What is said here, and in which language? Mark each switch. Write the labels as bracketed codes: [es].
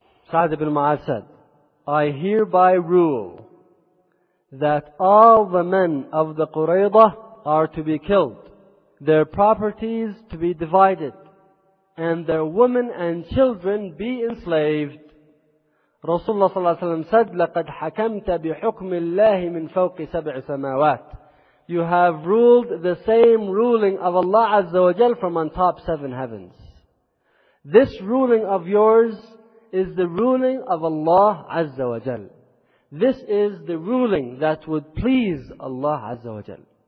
[en] Sa'd ibn Mu'adh said, I hereby rule that all the men of the Qurayza are to be killed, their properties to be divided, and their women and children be enslaved. Rasulullah ﷺ said, [ar] لَقَدْ حَكَمْتَ بِحُكْمِ اللَّهِ مِنْ فَوْقِ سَبْعِ سَمَاوَاتِ. [en] You have ruled the same ruling of Allah Azza wa Jal from on top seven heavens. This ruling of yours is the ruling of Allah Azza wa Jal. This is the ruling that would please Allah Azza wa Jal.